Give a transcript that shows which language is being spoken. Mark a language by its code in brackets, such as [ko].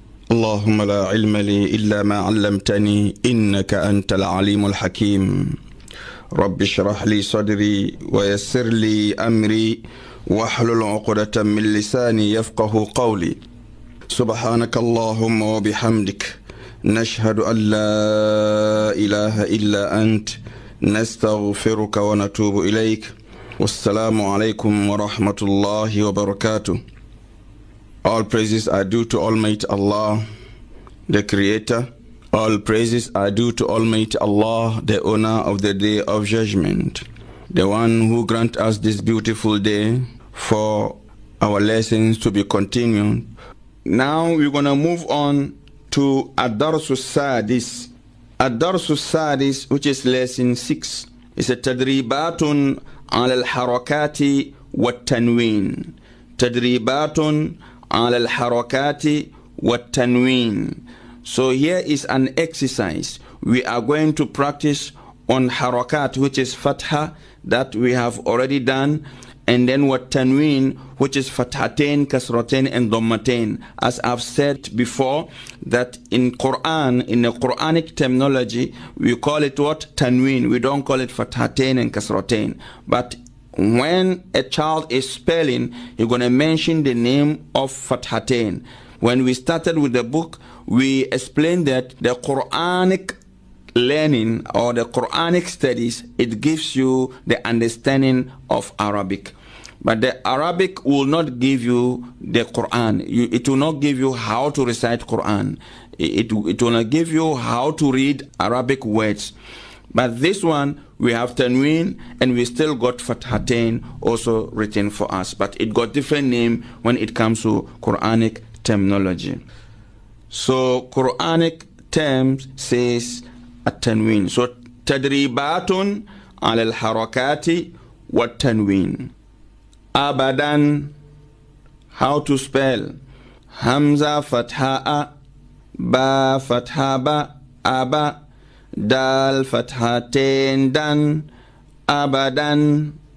[ar] اللهم لا علم لي إلا ما علمتني إنك أنت العليم الحكيم رب اشرح لي صدري ويسر لي أمري واحلل عقدة من لساني يفقه قولي سبحانك اللهم وبحمدك نشهد أن لا إله إلا أنت نستغفرك ونتوب إليك والسلام عليكم ورحمة الله وبركاته. [en] All praises are due to Almighty Allah, the Creator. All praises are due to Almighty Allah, the owner of the Day of Judgment, the one who grant us this beautiful day for our lessons to be continued. Now we're going to move on to Ad-Darsu Sadis, الدرس السادس which is lesson 6 is a تدريبات على الحركات والتنوين. [ar] تدريبات على الحركات والتنوين. [en] So here is an exercise. We are going to practice on harakat, which is fatha, that we have already done, and then watanween, which is fathatain, kasratain, and dhammatain. As I've said before, that in Quran, in the Quranic terminology, we call it what? Tanween. We don't call it fathatain and kasratain. But when a child is spelling, you're going to mention the name of fathatain. When we started with the book, we explained that the Quranic learning or the Quranic studies, it gives you the understanding of Arabic. But the Arabic will not give you the Quran. It will not give you how to recite Quran. It will not give you how to read Arabic words. But this one, we have Tanween, and we still got Fathatain also written for us. But it got different name when it comes to Quranic terminology. So Quranic terms says التنوين. [ar] So تدريبات على الحركات والتنوين. [en] أبدا. How to spell? [ar] همزة فتحاء با فتحاء با أبا دال فتحتين دان أبدا.